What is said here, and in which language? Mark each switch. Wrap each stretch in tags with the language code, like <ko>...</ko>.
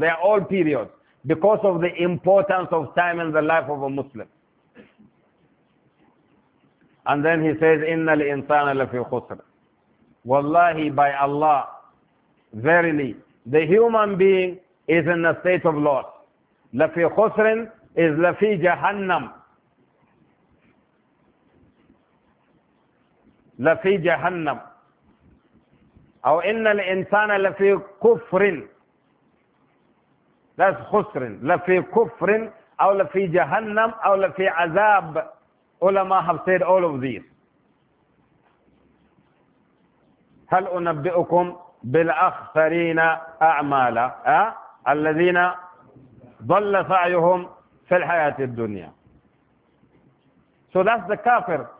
<en>They are all periods. Because of the importance of time in the life of a Muslim. And then he says,</en> <ar>إِنَّ الْإِنسَانَ لَفِي خُسْرٍ.</ar> <en>Wallahi, by Allah, verily, the human being is in a state of loss.</en> <ar>لَفِي خُسْرٍ is لَفِي جَهَنَّمْ. لَفِي جَهَنَّمْ. أو إِنَّ الْإِنسَانَ لَفِي كُفْرٍ.</ar> <en>That's</en> <ar>خُسْرٍ. لَفِي كُفْرٍ أو لَفِي جَهَنَّمْ أو لَفِي عَذَاب.</ar> <en>Ulama have said all of these.</en> <ar>هَلْ أُنَبِّئُكُمْ بِالْأَخْسَرِينَ أَعْمَالًا الَّذِينَ ضَلَّ سَعْيُهُمْ فِي الْحَيَاةِ الدُّنْيَا.</ar> <en>So that's the kafir.</en>